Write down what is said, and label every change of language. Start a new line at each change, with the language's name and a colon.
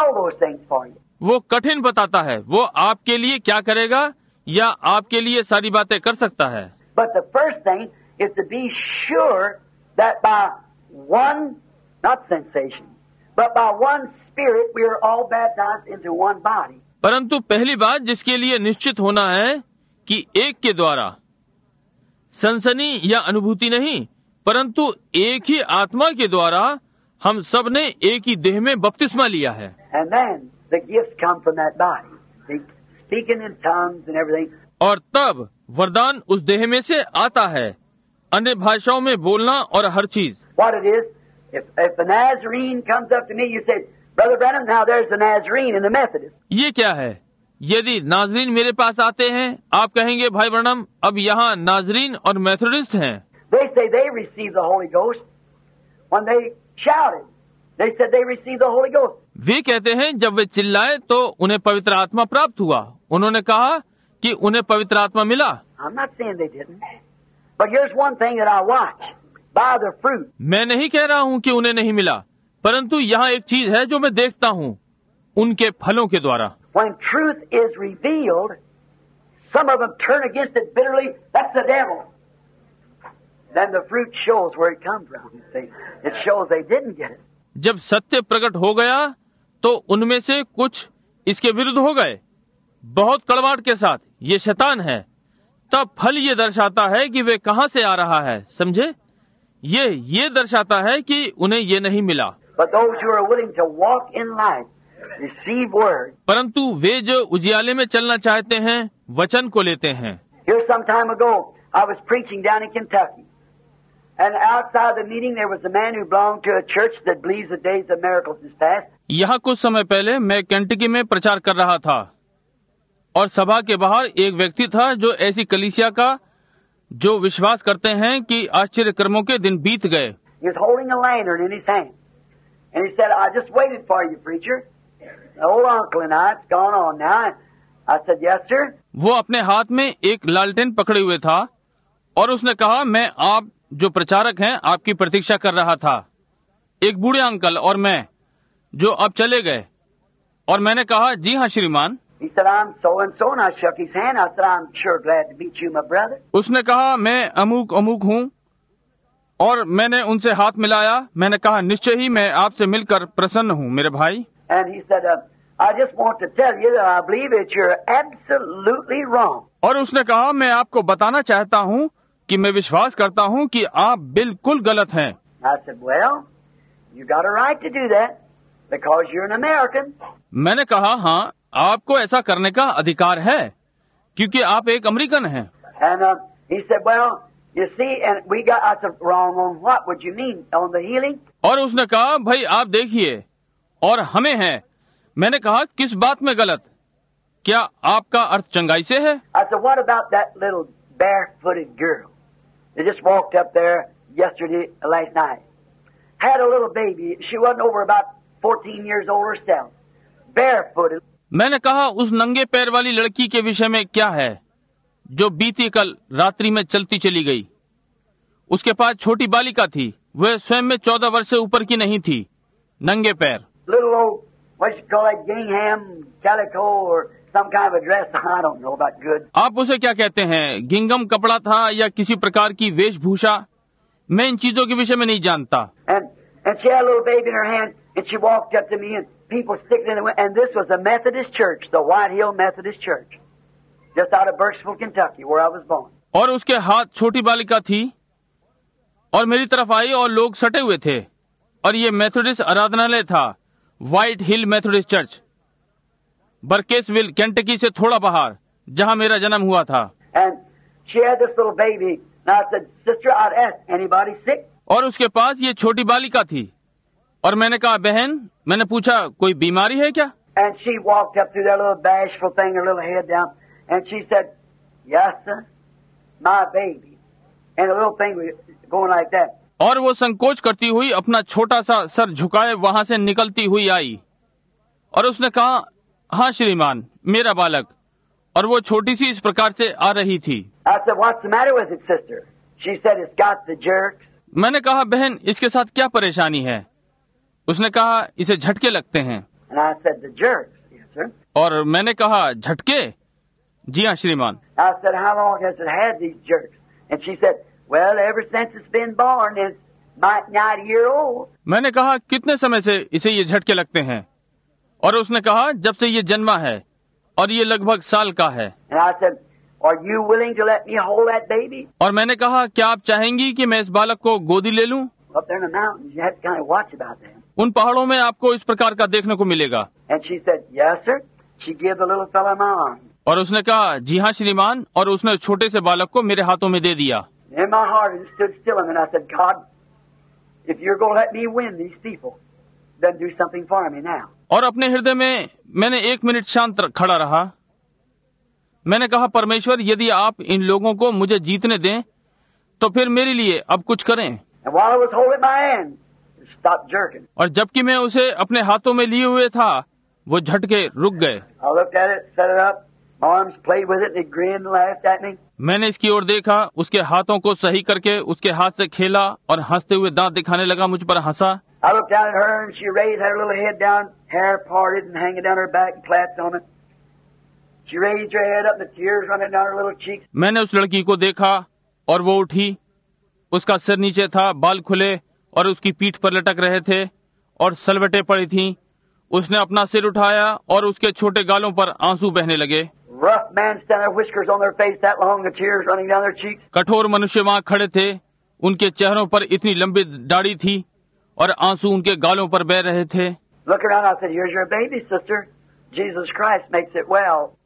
Hindi: वो कठिन बताता है, वो आपके लिए क्या करेगा या आपके लिए सारी बातें कर सकता है.
English: But the first thing is to be sure that by one, not sensation, but by one spirit we are all baptized into one body.
Hindi: परंतु पहली बात जिसके लिए निश्चित होना है कि एक के द्वारा, सनसनी या अनुभूति नहीं, परंतु एक ही आत्मा के द्वारा हम सब ने एक ही देह में बपतिस्मा लिया है.
English: And then the gifts come from that body. Speaking in tongues and everything.
Hindi: और तब वरदान उस देह में से आता है, अन्य भाषाओं में बोलना और हर चीज.
English: What it is, if the Nazarene comes up to me, you say, Brother Branham, now there's the Nazarene in the Methodist.
Hindi: ये क्या है? यदि नाजरीन मेरे पास आते हैं, आप कहेंगे, भाई ब्रनम, अब यहाँ नाजरीन और मेथोडिस्ट हैं.
English: They say they received the Holy Ghost when they shouted. They said they received the Holy Ghost.
Hindi: वे कहते हैं जब वे चिल्लाए तो उन्हें पवित्र आत्मा प्राप्त हुआ. उन्होंने कहा कि उन्हें पवित्र आत्मा मिला.
English: I'm not saying they didn't. But here's one thing that I watch. By the fruit.
Hindi: मैं नहीं कह रहा हूँ कि उन्हें नहीं मिला, परंतु यहाँ एक चीज है जो मैं देखता हूँ उनके फलों के द्वारा.
English: When truth is revealed, some of them turn against it bitterly. That's the devil. Then the fruit shows where it comes from. It shows they didn't get it.
Hindi: जब सत्य प्रकट हो गया तो उनमें से कुछ इसके विरुद्ध हो गए बहुत कड़वाहट के साथ. ये शैतान है. तब फल ये दर्शाता है कि वे कहाँ से आ रहा है, समझे? ये दर्शाता है कि उन्हें ये नहीं मिला.
English: But those who are willing to walk in light, receive word.
Hindi: परंतु वे जो उजियाले में चलना चाहते हैं वचन को लेते हैं.
English: Here some time ago, I was preaching down in Kentucky. And outside the meeting there was a man who belonged to a church that believes the days of miracles is past.
Hindi: यहाँ कुछ समय पहले मैं Kentucky में प्रचार कर रहा था और सभा के बाहर एक व्यक्ति था जो ऐसी कलीसिया का जो विश्वास करते हैं कि आश्चर्य कर्मों के दिन बीत गए.
English: He was holding a lantern in his hand. And he said, I just waited for you, preacher. The old uncle and I, it's gone on now. I said, yes, sir.
Hindi: वो अपने हाथ में एक लालटेन पकड़े हुए था और उसने कहा, मैं आप जो प्रचारक हैं आपकी प्रतीक्षा कर रहा था, एक बूढ़े अंकल और मैं जो अब चले गए. और मैंने कहा, जी हाँ श्रीमान.
English: He said, I'm so and so, and I shook his hand. I said, I'm sure glad to meet you, my brother.
Hindi: उसने कहा, मैं अमुक अमुक हूँ. और मैंने उनसे हाथ मिलाया. मैंने कहा, निश्चय ही मैं आपसे मिलकर प्रसन्न हूँ मेरे भाई.
English: And he said, I just want to tell you that I believe that you're absolutely wrong.
Hindi: और उसने कहा, मैं आपको बताना चाहता हूँ कि मैं विश्वास करता हूँ कि आप बिल्कुल गलत हैं.
English: I said, well, you got a right to do that because you're an American.
Hindi: मैंने कहा, हाँ, आपको ऐसा करने का अधिकार है क्योंकि आप एक अमेरिकन हैं.
English: And he said, well, you see, and we got us wrong on what? Would you mean on the healing?
Hindi: और उसने कहा, भाई आप देखिए, और हमें हैं. मैंने कहा, किस बात में गलत? क्या आपका अर्थ चंगाई से है?
English: I said, what about that little barefooted girl that just walked up there yesterday last night? Had a little baby. She wasn't over about 14 years old herself. Barefooted.
Hindi: मैंने कहा, उस नंगे पैर वाली लड़की के विषय में क्या है जो बीती कल रात्रि में चलती चली गई? उसके पास छोटी बालिका थी. वह स्वयं में 14 वर्ष से ऊपर की नहीं थी, नंगे पैर.
English: Little old, what you call it, gingham, calico, or some kind of a dress, I don't know about good.
Hindi: आप उसे क्या कहते हैं, गिंगम कपड़ा था या किसी प्रकार की वेशभूषा? मैं इन चीजों के विषय में नहीं जानता.
English: And she had a little baby in her hand, and she walked up to me, and people sticking in the way, and this was a Methodist church, the White Hill Methodist Church, just out of Burkesville, Kentucky, where I was born.
Hindi: और उसके हाथ छोटी बालिका थी, और मेरी तरफ आई, और लोग सटे हुए थे. और ये मेथोडिस्ट आराधनालय था, व्हाइट हिल मेथोडिस्ट चर्च, बर्केसविल केंटकी से थोड़ा बाहर, जहाँ मेरा जन्म हुआ था.
English: And she had this little baby. Now I said, sister, I'd ask, anybody sick?
Hindi: और उसके पास ये छोटी बालिका थी. और मैंने कहा, बहन, मैंने पूछा, कोई बीमारी है क्या?
English: And she walked up through that little bashful thing, her little head down, and she said, yes, sir, my baby. And a little thing going like that.
Hindi: और वो संकोच करती हुई अपना छोटा सा सर झुकाए वहाँ से निकलती हुई आई. और उसने कहा, हाँ श्रीमान, मेरा बालक. और वो छोटी सी इस प्रकार से आ रही थी.
English: I said, what's the matter with it, sister? She said, it's got the jerks.
Hindi: मैंने कहा, बहन, इसके साथ क्या परेशानी है? उसने कहा, इसे झटके लगते हैं.
English: And I said, the jerks. Yes, sir.
Hindi: और मैंने कहा, झटके? जी हाँ श्रीमान.
English: I said, how long has it had these jerks? And she said, well, ever since it's been born, it's about 9 years old.
Hindi: मैंने कहा, कितने समय से इसे ये झटके लगते हैं? और उसने कहा, जब से ये जन्मा है, और ये लगभग साल का है.
English: And I said, are you willing to let me hold that baby?
Hindi: और मैंने कहा, क्या आप चाहेंगी कि मैं इस बालक को गोदी ले लूं?
English: Up there in the mountains, you have to kind of watch about them.
Hindi: उन पहाड़ों में आपको इस प्रकार का देखने को मिलेगा.
English: And she said, yes, sir. She gave the little fellow my arm.
Hindi: और उसने कहा, जी हाँ श्रीमान. और उसने छोटे से बालक को मेरे हाथों में दे दिया.
English: In my heart, it stood still, and I said, God, if you're going to let me win these people, then do something for me now.
Hindi: और अपने हृदय में मैंने एक मिनट शांत खड़ा रहा. मैंने कहा, परमेश्वर, यदि आप इन लोगों को मुझे जीतने दें, तो फिर मेरे लिए अब कुछ करें.
English: And while I was holding my hand, it stopped jerking.
Hindi: और जबकि मैं उसे अपने हाथों में लिए हुए था, वो झटके रुक गए.
English: I looked at it, set it up, arms played with it, and it grinned and laughed at me.
Hindi: मैंने इसकी ओर देखा, उसके हाथों को सही करके उसके हाथ से खेला और हंसते हुए दांत दिखाने लगा, मुझ पर हंसा.
English: I looked down at her and she raised her little head down, hair parted and hanging down her back and clapped on it. She raised her head up, the tears running down her little cheeks.
Hindi: मैंने उस लड़की को देखा और वो उठी, उसका सिर नीचे था, बाल खुले और उसकी पीठ पर लटक रहे थे और सलवटें पड़ी थीं. उसने अपना सिर उठाया और उसके छोटे गालों पर आंसू बहने लगे.
English: Rough man standing, whiskers on their face that long, the tears running down their cheeks.
Hindi: कठोर मनुष्य वहाँ खड़े थे, उनके चेहरों पर इतनी लंबी दाढ़ी थी और आंसू उनके गालों पर बह रहे थे.
English: Look around, I said, here's your baby, sister. Jesus Christ makes it well.